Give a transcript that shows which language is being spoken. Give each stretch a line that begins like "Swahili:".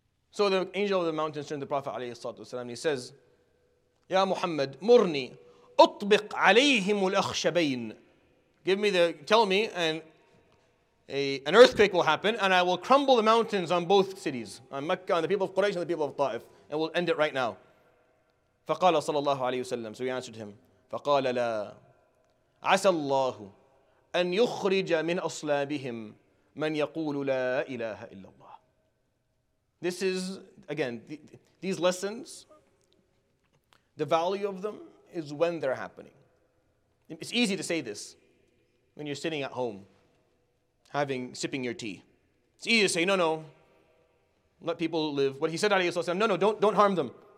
English: So the angel of the mountain turned to the Prophet ﷺ and he says,
Arabic: Ya Muhammad, murni, utbiq alayhim al-akhshabayn.
English: Give me the, tell me, and an earthquake will happen, and I will crumble the mountains on both cities, on Mecca, on the people of Quraysh, and the people of Ta'if, and we'll end it right now.
Arabic: فَقَالَ صَلَى اللَّهُ عَلَيْهُ وَسَلَّمُ
English: So he answered him,
Arabic: فَقَالَ لَا عَسَى اللَّهُ أَنْ يُخْرِجَ مِنْ أَصْلَابِهِمْ مَنْ يَقُولُ لَا إِلَهَ إِلَّا اللَّهُ
English: This is, again, these lessons, the value of them is when they're happening. It's easy to say this when you're sitting at home, sipping your tea. It's easy to say, no, let people live. What he said, عليه الصلاة والسلام, don't harm them.